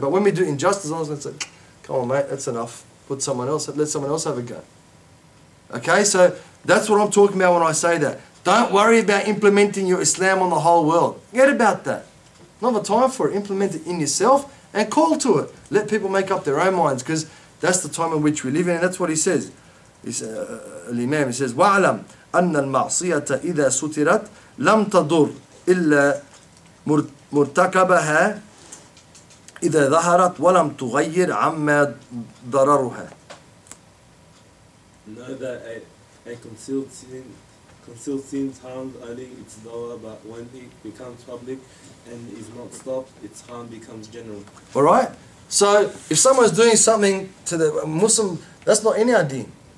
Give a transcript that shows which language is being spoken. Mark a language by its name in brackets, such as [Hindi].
[English] But when we do injustice, Allah's going to say, come on mate, that's enough. Put someone else, let someone else have a go. Okay, so that's what I'm talking about when I say that. Don't worry about implementing your Islam on the whole world. Forget about that. Not the time for it. Implement it in yourself and call to it. Let people make up their own minds, because that's the time in which we live in. And that's what he says. Al-Imam, he says, [Arabic] وَعْلَمْ أَنَّ الْمَعْصِيَةَ إِذَا سُتِرَتْ لَمْ تَضُرْ إِلَّا مُرْتَكَبَهَا إِذَا ظَهَرَتْ وَلَمْ تُغَيِّرْ عَمَّا ضَرَرُهَا. [English] Know that a concealed sin harms only its lower, but when it becomes public and is not stopped, its harm becomes general. Alright, so if someone's doing something to the Muslim, that's not any deen.